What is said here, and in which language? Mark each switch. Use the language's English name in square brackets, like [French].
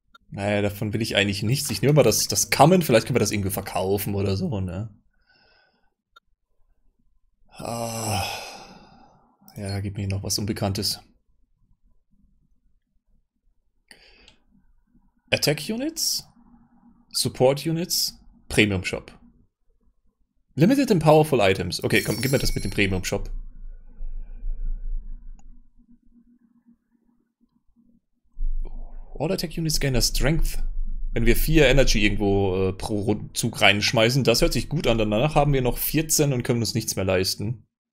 [German] Naja, davon will ich eigentlich nichts. Ich nehme mal das Kamen, vielleicht können wir das irgendwie verkaufen oder so, ne? Ah. Ja, gib mir noch was Unbekanntes. [English] Attack Units, Support Units, Premium Shop. Limited and powerful items. [German] Okay, komm, gib mir das mit dem Premium Shop. [English] All Attack Units gain a Strength. [German] Wenn wir 4 Energy irgendwo pro Zug reinschmeißen, das hört sich gut an. Danach haben wir noch 14 und können uns nichts mehr leisten.